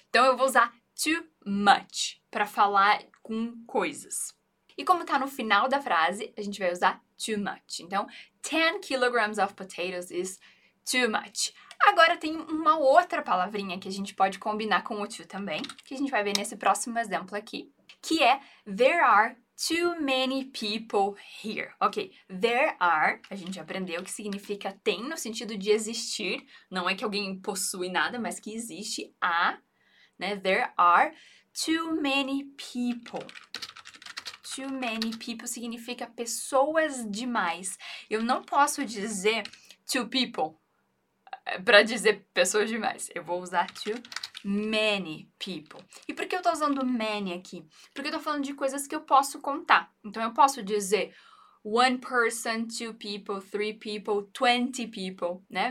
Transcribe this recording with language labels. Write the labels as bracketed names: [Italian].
[Portuguese] Então eu vou usar too much para falar com coisas. E como tá no final da frase, a gente vai usar too much. [English] Então, 10 kilograms of potatoes is too much. [Portuguese] Agora tem uma outra palavrinha que a gente pode combinar com o to também, que a gente vai ver nesse próximo exemplo aqui. [English] Que é there are too many people here. [Portuguese] Ok, there are, a gente aprendeu que significa tem no sentido de existir, não é que alguém possui nada, mas que existe a, né? [English] There are too many people. Too many people [Portuguese] significa pessoas demais. Eu não posso dizer too people para dizer pessoas demais. Eu vou usar too many people. E por que eu tô usando many aqui? Porque eu tô falando de coisas que eu posso contar. Então eu posso dizer [English] one person, two people, three people, 20 people, [Portuguese] né?